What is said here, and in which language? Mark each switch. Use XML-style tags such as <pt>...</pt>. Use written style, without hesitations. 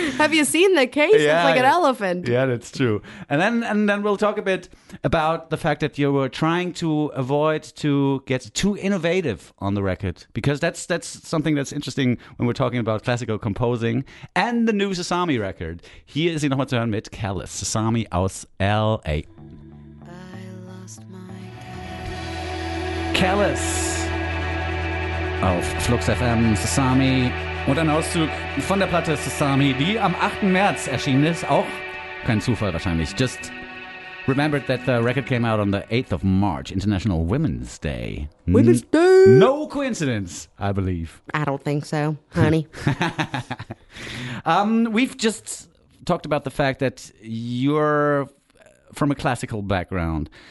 <en>Have you seen the case? Yeah, it's like an elephant. Yeah, that's true. And then we'll talk a bit about the fact that you were trying to avoid to get too innovative on the record. Because that's something that's interesting when we're talking about classical composing and the new Sasami record.</en> <de>Hier ist nochmal zu hören mit Callous, Sasami aus L.A.</de> <en>I lost my... Callous.</en> <de>Auf Flux FM, Sasami und ein Auszug von der Platte Sasami, die am 8. März erschienen ist. Auch kein Zufall wahrscheinlich.</de> <en>Just remembered that the record came out on the 8th of March, International Women's Day. Women's Day! No coincidence, I believe. I don't think so, honey. We've just talked about the fact that you're from a classical background.</en>